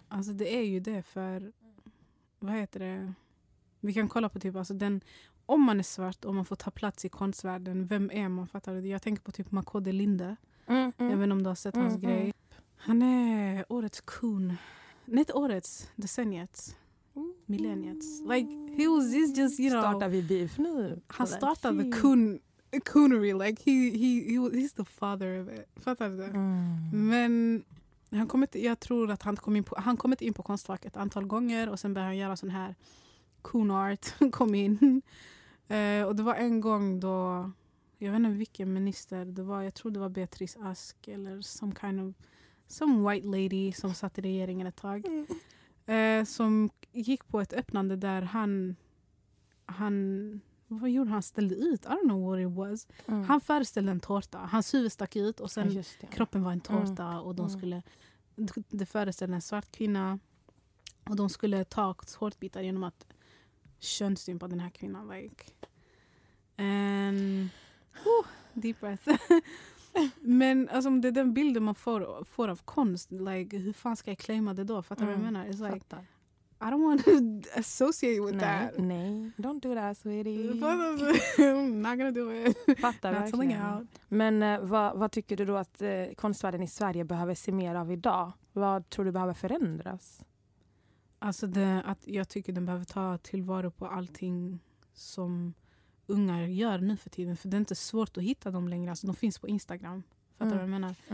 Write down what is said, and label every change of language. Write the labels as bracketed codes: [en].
[sv] Alltså det är ju det, för vad heter det? Vi kan kolla på typ, alltså den, om man är svart och man får ta plats i konstvärlden, vem är man, fattar du? Jag tänker på typ Makode Linde, även om du har sett hans grej. Han är årets kun. Nej, inte årets, decenniets. Millenniet. [en] Like, he was this just, you know... [sv] Startar vi beef nu? Han startade coonery. [en] Like, he's the father of it. [sv] Fattar du det? Men han kom inte, jag tror att han kom inte in på konstfack ett antal gånger och sen började han göra sån här coon art. Kom in. Och det var en gång då, jag vet inte vilken minister det var, jag tror det var Beatrice Ask eller [en] some kind of, some white lady [sv] som satt i regeringen ett tag. Som gick på ett öppnande där han vad gjorde han, ställde ut, [en] I don't know what it was. [sv] Han föreställde en tårta, hans huvud stack ut och sen kroppen var en tårta och de skulle, det föreställde en svart kvinna och de skulle ta tårtbitar genom att könsstympa den här kvinnan, [en] like, and deep breath. [sv] Men alltså, det är den bilden man får av konst, like, hur fan ska jag claima det då? Fattar du vad jag menar? [en] It's like, I don't want to associate with that. [sv] Nej, [en] don't do that, sweetie. I'm not gonna do it. [sv] Fattar verkligen. Men vad tycker du då att konstvärlden i Sverige behöver se mer av idag? Vad tror du behöver förändras? Alltså att jag tycker den behöver ta tillvaro på allting som ungar gör nu för tiden, för det är inte svårt att hitta dem längre, alltså de finns på Instagram, fattar du vad jag menar?